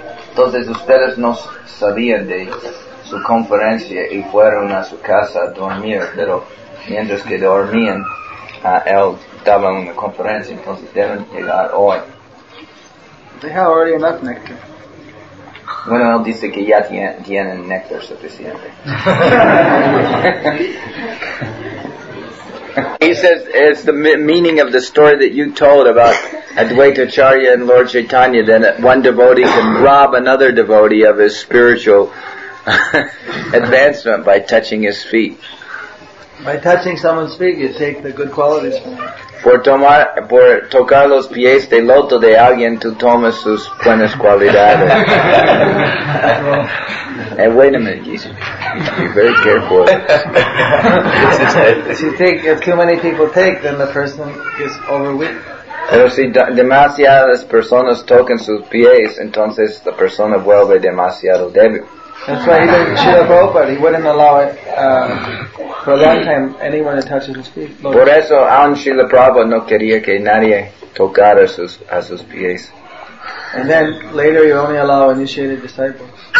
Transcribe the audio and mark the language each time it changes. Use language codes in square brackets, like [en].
[es] Entonces ustedes no sabían de su conferencia y fueron a su casa a dormir, pero mientras que dormían, él daba una conferencia, entonces deben llegar hoy. [en] They have already enough nectar. [es] Bueno, él dice que ya tienen nectar suficiente. [en] He says it's the meaning of the story that you told about Advaita Acharya and Lord Chaitanya, then one devotee can rob another devotee of his spiritual advancement by touching his feet. By touching someone's feet, you take the good qualities from him. [es] Por tocar los pies de loto de alguien, tú tomas sus buenas cualidades. [en] And wait a minute, you should be very careful. if too many people take, then the person is overweight. [es] Pero si demasiadas personas tocan sus pies, entonces la persona vuelve demasiado débil. [en] That's why even Srila Prabhupada, he wouldn't allow it for a long time anyone to touch his feet. [es] Por eso aun Srila Prabhupada no quería que nadie tocara sus pies. [en] And then later you only allow initiated disciples.